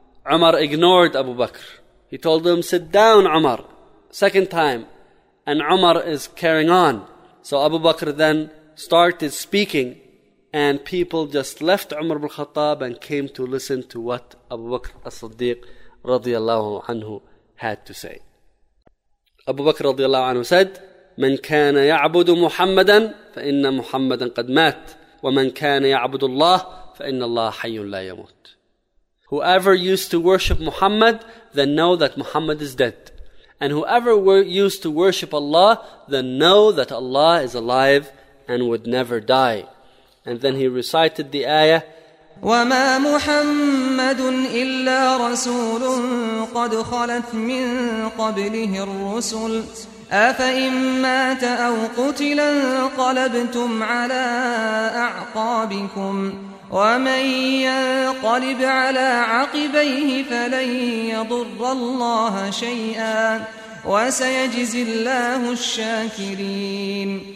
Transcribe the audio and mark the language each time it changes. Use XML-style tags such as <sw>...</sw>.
<en>Umar ignored Abu Bakr. He told him, "Sit down Umar," second time. And Umar is carrying on. So Abu Bakr then started speaking, and people just left Umar ibn al-Khattab and came to listen to what Abu Bakr as-Siddiq radiyallahu anhu had to say. Abu Bakr radiyallahu anhu said,</en> <ar>"من كان يعبد محمدا فإن محمدا قد مات ومن كان يعبد الله فإن الله حي لا يموت."</ar> <en>Whoever used to worship Muhammad, then know that Muhammad is dead. And whoever used to worship Allah, then know that Allah is alive and would never die. And then he recited the ayah,</en> <ar>وَمَا مُحَمَّدٌ إِلَّا رَسُولٌ قَدْ خَلَتْ مِنْ قَبْلِهِ الرُّسُلُ أَفَإِنْ مَاتَ أَوْ قُتِلَ انْقَلَبْتُمْ عَلَىٰ أَعْقَابِكُمْ وَمَنْ يَنْقَلِبْ عَلَىٰ عَقِبَيْهِ فَلَنْ يَضُرَّ اللَّهَ شَيْئًا وَسَيَجْزِي اللَّهُ الشَّاكِرِينَ.</ar>